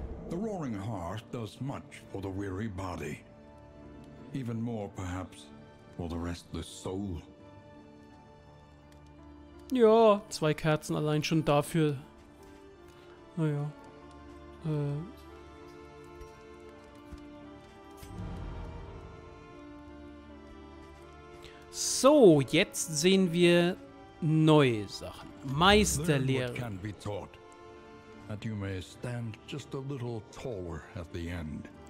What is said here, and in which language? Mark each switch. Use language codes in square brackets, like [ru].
[en] The Roaring Heart does much for the weary body. Even more, perhaps, for the restless soul. [de] Ja, zwei Kerzen allein schon dafür. Naja. So, jetzt sehen wir neue Sachen. Meisterlehre. [en] Learn what can be taught, that you may stand just a little taller at the end.